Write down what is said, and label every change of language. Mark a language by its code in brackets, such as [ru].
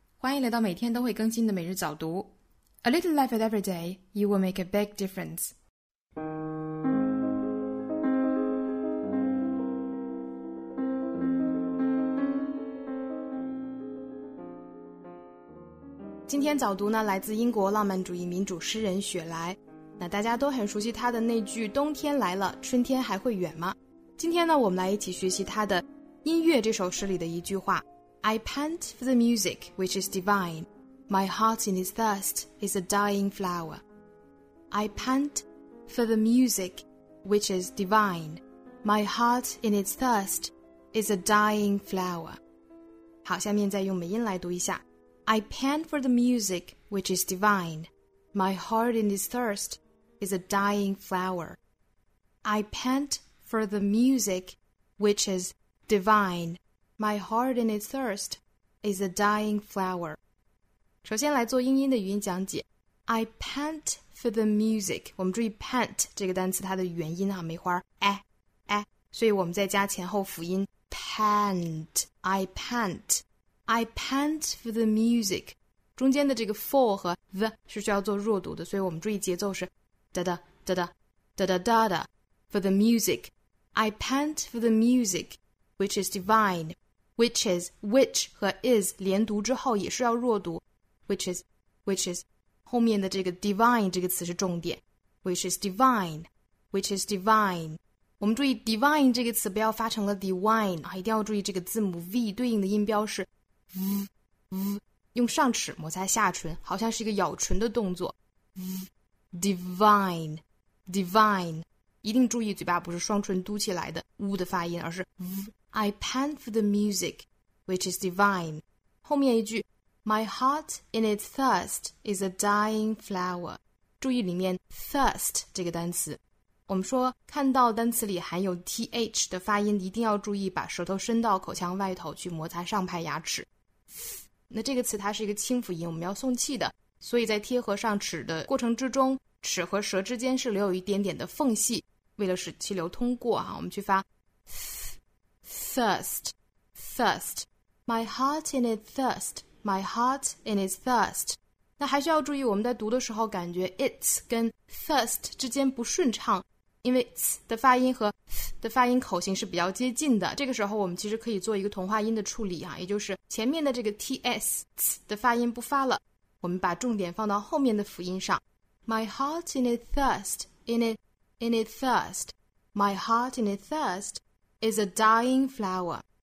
[zh] 欢迎来到每天都会更新的每日早读。 [en] A little effort every day, you will make a big difference. [zh] 今天早读呢，来自英国浪漫主义民主诗人雪莱。那大家都很熟悉他的那句“冬天来了，春天还会远吗？” 今天呢，我们来一起学习他的《音乐》这首诗里的一句话。 [en] I pant for the music which is divine. My heart in its thirst is a dying flower. I pant for the music which is divine. My heart in its thirst is a dying flower. [zh] 好，下面再用美音来读一下。 [en] I pant for the music which is divine. My heart in its thirst is a dying flower. I pant for the music which is divine. My heart in its thirst is a dying flower. [zh] 首先来做英音的语音讲解。 [en] I pant for the music. [zh] 我们注意 pant 这个单词它的元音啊，梅花哎哎，所以我们再加前后辅音 pant. [en] I pant. I pant for the music. [zh] 中间的这个 for 和 the 是需要做弱读的，所以我们注意节奏是哒哒哒哒哒哒哒哒 [en] for the music. I pant for the music, which is divine. [zh] Which is, which 和 is 连读之后也是要弱读 which is, 后面的这个 divine 这个词是重点 [en] which is divine, [zh] which is divine 我们注意 divine 这个词不要发成了 divine、啊、一定要注意这个字母 v 对应的音标是 v, 用上齿摩擦下唇好像是一个咬唇的动作 v, divine, divine 一定注意嘴巴不是双唇嘟起来的 w 的发音而是 v, [en] I pant for the music, which is divine. [zh] 后面一句 [en] My heart in its thirst is a dying flower. [zh] 注意里面 thirst 这个单词。我们说看到单词里含有 th 的发音一定要注意把舌头伸到口腔外头去摩擦上排牙齿。那这个词它是一个清辅音我们要送气的。所以在贴合上齿的过程之中齿和舌之间是留有一点点的缝隙。为了使气流通过、啊、我们去发 [en] Thirst, thirst, my heart in its thirst, my heart in its thirst. [zh] 那还需要注意我们在读的时候感觉 its 跟 thirst 之间不顺畅因为 ts 的发音和 th 的发音口型是比较接近的这个时候我们其实可以做一个同化音的处理、啊、也就是前面的这个 ts, ts 的发音不发了我们把重点放到后面的辅音上 [en] My heart in its thirst, in its thirst, my heart in its thirst,Is a dying flower.